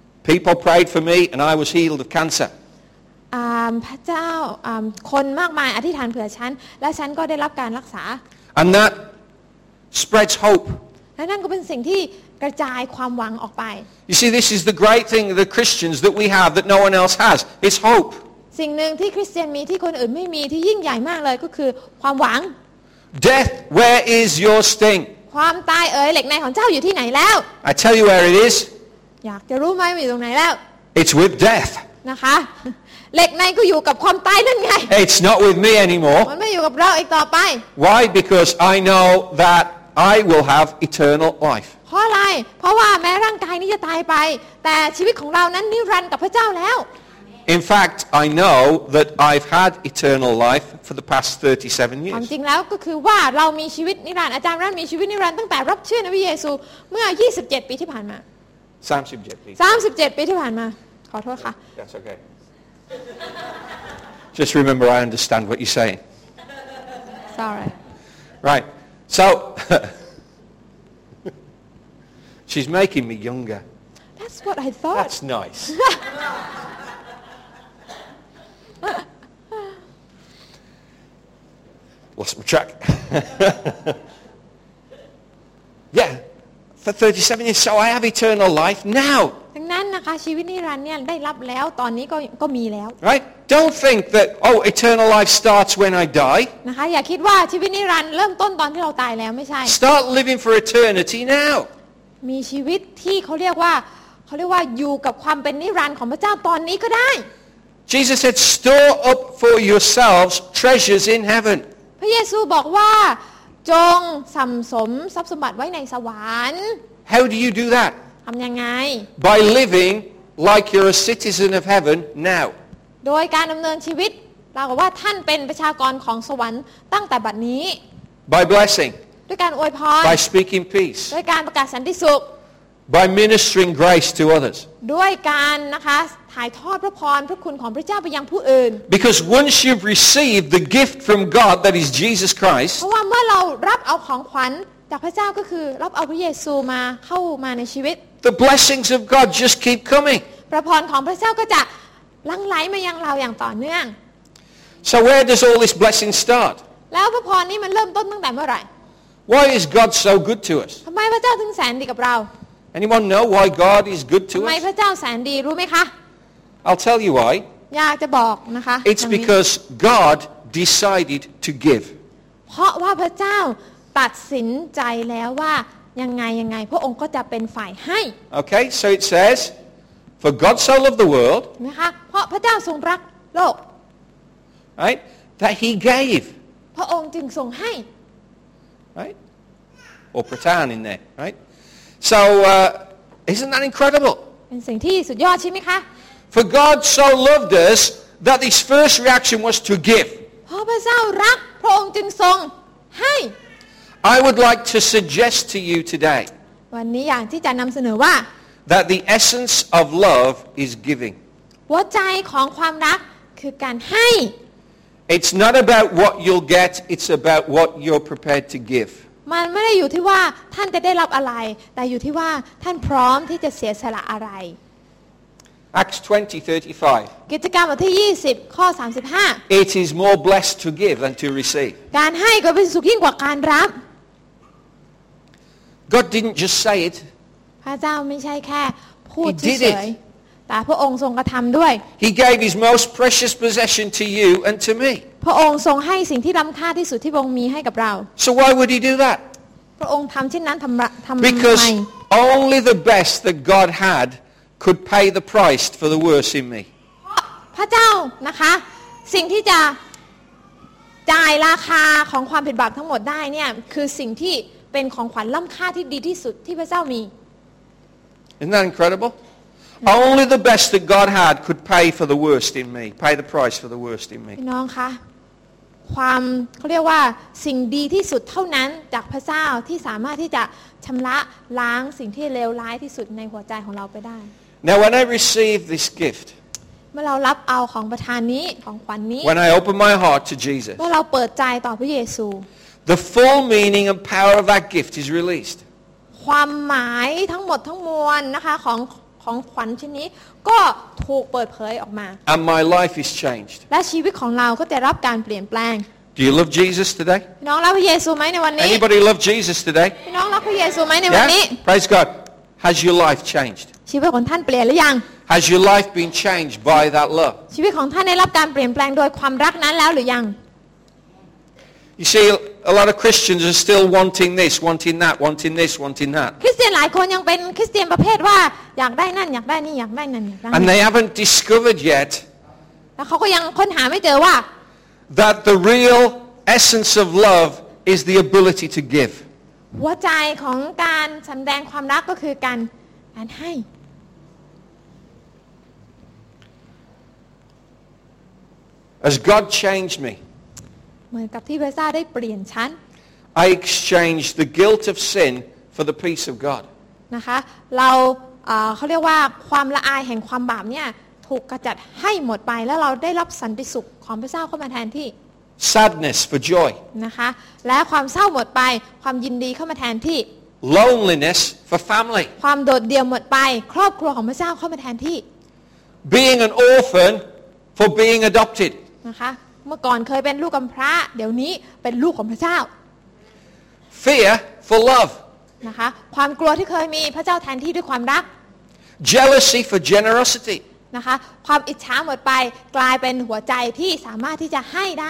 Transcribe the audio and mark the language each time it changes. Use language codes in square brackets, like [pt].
[en] People prayed for me and I was healed of cancer. [th] พระเจ้าคนมากมายอธิษฐานเผื่อฉันและฉันก็ได้รับการรักษา [en] And that spreads hope. [th] และนั่นก็เป็นสิ่งที่กระจายความหวังออกไป [en] You see this is the great thing the Christians that we have that no one else has it's hope [th] สิ่งหนึ่งที่คริสเตียนมีที่คนอื่นไม่มีที่ยิ่งใหญ่มากเลยก็คือความหวัง [en] Death where is your sting [th] ความตายเอ๋ยเหล็กในของเจ้าอยู่ที่ไหนแล้ว [en] I tell you where it is [th] อยากจะรู้มั้ยอยู่ตรงไหนแล้ว [en] It's with death [th] นะคะเหล็กในก็อยู่กับความตายนั่นไง [en] It's not with me anymore [th] มันไม่อยู่กับเราอีกต่อไป [en] Why because I know that I will have eternal life [th] เพราะอะไรเพราะว่าแม้ร่างกายนี้จะตายไปแต่ชีวิตของเรานั้นนิรันดร์กับพระเจ้าแล้ว [en] In fact I know that I've had eternal life for the past 37 years [th] ความจริงแล้วก็คือว่าเรามีชีวิตนิรันดร์อาจารย์รันมีชีวิตนิรันดร์ตั้งแต่รับเชื่อในพระเยซูเมื่อ27ปีที่ผ่านมา [en] 37 [th] ปีที่ผ่านมาขอโทษค่ะ [en] That's okay Just remember I understand what you're saying Sorry Right so She's making me younger. That's what I thought. That's nice. Lost my track. yeah. For 37 years, so I have eternal life now. [th] ดังนั้นนะคะชีวิตนิรันดร์เนี่ยได้รับแล้วตอนนี้ก็มีแล้ว [en] Right? Don't think that oh eternal life starts when I die. [th] นะคะอย่าคิดว่าชีวิตนิรันดร์เริ่มต้นตอนที่เราตายแล้วไม่ใช่ [en] Start living for eternity now. [th] มีชีวิตที่เขาเรียกว่าอยู่กับความเป็นนิรันดร์ของพระเจ้าตอนนี้ก็ได้ [en] Jesus said store up for yourselves treasures in heaven [th] พระเยซูบอกว่าจงสะสมทรัพย์สมบัติไว้ในสวรรค์ [en] How do you do that [th] ทำยังไง [en] By living like you're a citizen of heaven now [th] โดยการดำเนินชีวิตเราบอกว่าท่านเป็นประชากรของสวรรค์ตั้งแต่บัดนี้ [en] By blessing [th] ด้วยการอวยพร [en] By speaking peace [th] ด้วยการประกาศสันติสุข [en] By ministering grace to others [th] ด้วยการนะคะถ่ายทอดพระพรพระคุณของพระเจ้าไปยังผู้อื่น [en] Because once you've received the gift from God that is Jesus Christ [th] เพราะว่าเมื่อเรารับเอาของขวัญจากพระเจ้าก็คือรับเอาพระเยซูมาเข้ามาในชีวิต [en] the blessings of God just keep coming. [th] พระพรของพระเจ้าก็จะลั่งไหลมายังเราอย่างต่อเนื่อง [en] So where does all this blessing start? [th] แล้วพระพรนี้มันเริ่มต้นตั้งแต่เมื่อไหร่ [en] Why is God so good to us? [th] ทำไมพระเจ้าถึงแสนดีกับเรา [en] Anyone know why God is good to us? [th] ทำไมพระเจ้าแสนดีรู้ไหมคะ [en] I'll tell you why. [th] อยากจะบอกนะคะ [en] It's because God decided to give. [th] เพราะว่าพระเจ้าตัดสินใจแล้วว่ายังไงพระองค์ก็จะเป็นฝ่ายให้ [en] Okay, so it says, for God so loved the world. [th] นะคะเพราะพระเจ้าทรงรักโลก [en] Right, that He gave. [th] พระองค์จึงทรงให้ [en] Right, or pratan in there, right? So, isn't that incredible? [th] เป็นสิ่งที่สุดยอดใช่ไหมคะ [en] For God so loved us that His first reaction was to give. [th] เพราะพระเจ้ารักพระองค์จึงทรงให้ [en] I would like to suggest to you today [th] วันนี้อยากที่จะนำเสนอว่า [en] that the essence of love is giving [th] หัวใจของความรักคือการให้ [en] It's not about what you'll get it's about what you're prepared to give [th] มันไม่ได้อยู่ที่ว่าท่านจะได้รับอะไรแต่อยู่ที่ว่าท่านพร้อมที่จะเสียสละอะไร [en] Acts 20:35 [th] กิจการบทที่20ข้อ35 [en] It is more blessed to give than to receive [th] การให้ก็เป็นสุขยิ่งกว่าการรับ [en] God didn't just say it. [th] พระเจ้าไม่ใช่แค่พูดเฉยๆแต่พระองค์ทรงกระทำด้วย [en] He gave his most precious possession to you and to me. [th] พระองค์ทรงให้สิ่งที่ล้ำค่าที่สุดที่พระองค์มีให้กับเรา [en] So why would he do that? [th] พระองค์ทำเช่นนั้นทำไม [en] Because only the best that God had could pay the price for the worst in me. [th] พระเจ้านะคะสิ่งที่จะจ่ายราคาของความผิดบาปทั้งหมดได้เนี่ยคือสิ่งที่เป็นของขวัญล้ำค่าที่ดีที่สุดที่พระเจ้ามี [en] Isn't that incredible? Only the best that God had could pay for the worst in me. Pay the price for the worst in me. [th] น้องคะความเขาเรียกว่าสิ่งดีที่สุดเท่านั้นจากพระเจ้าที่สามารถที่จะชำระล้างสิ่งที่เลวร้ายที่สุดในหัวใจของเราไปได้ [en] Now when I receive this gift [th] เมื่อเรารับเอาของประทานนี้ของขวัญนี้ [en] When I open my heart to Jesus [th] เมื่อเราเปิดใจต่อพระเยซู [en] The full meaning and power of that gift is released. [th] ความหมายทั้งหมดทั้งมวลนะคะของขวัญชิ้นนี้ก็ถูกเปิดเผยออกมา [en] And my life is changed. [th] และชีวิตของเราก็จะรับการเปลี่ยนแปลง [en] Do you love Jesus today? [th] น้องรักพระเยซูไหมในวันนี้ [en] Anybody love Jesus today? [th] น้องรักพระเยซูไหมในวันนี้ [en] Praise God. Has your life changed? [th] ชีวิตของท่านเปลี่ยนหรือยัง [en] Has your life been changed by that love? [th] ชีวิตของท่านได้รับการเปลี่ยนแปลงโดยความรักนั้นแล้วหรือยัง [en] You see, a lot of Christians are still wanting this, wanting that, wanting this, wanting that. [th] คริสเตียนหลายคนยังเป็นคริสเตียนประเภทว่าอยากได้นั่นอยากได้นี่อยากได้นั่น [en] And they haven't discovered yet. [th] แล้วเขาก็ยังค้นหาไม่เจอว่า [en] that the real essence of love is the ability to give. [th] หัวใจของการแสดงความรักก็คือการให้ [en] As God changed me. [th] เหมือนกับที่พระเจ้าได้เปลี่ยนฉัน [en] I exchanged the guilt of sin for the peace of God [th] นะคะเขาเรียกว่าความละอายแห่งความบาปเนี่ยถูกกระจัดให้หมดไปแล้วเราได้รับสันติสุขของพระเจ้าเข้ามาแทนที่ [en] Sadness for joy [th] นะคะและความเศร้าหมดไปความยินดีเข้ามาแทนที่ [en] Loneliness for family [th] ความโดดเดี่ยวหมดไปครอบครัวของพระเจ้าเข้ามาแทนที่ [en] Being an orphan for being adopted [th] นะคะเมื่อก่อนเคยเป็นลูกกำพร้าเดี๋ยวนี้เป็นลูกของพระเจ้า [en] Fear for love [th] นะคะความกลัวที่เคยมีพระเจ้าแทนที่ด้วยความรัก [en] Jealousy for generosity [th] นะคะความอิจฉาหมดไปกลายเป็นหัวใจที่สามารถที่จะให้ได